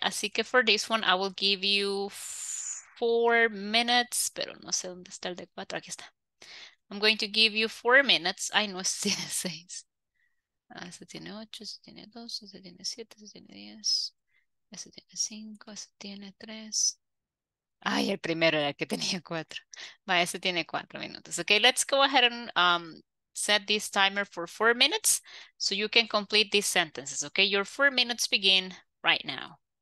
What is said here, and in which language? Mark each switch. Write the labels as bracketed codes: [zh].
[es] Así que [en] for this one, I will give you 4 minutes. [es] Pero no sé dónde está el de cuatro. Aquí está. [en] I'm going to give you 4 minutes. [es] Ay, no, este tiene seis. Ah, este tiene ocho, este tiene dos, este tiene siete, este tiene diez. Este tiene cinco, este tiene tres. Ay, el primero era el que tenía cuatro. Va, ese tiene 4 minutos. [en] Okay, let's go ahead and set this timer for 4 minutes so you can complete these sentences. Okay, your 4 minutes begin right now.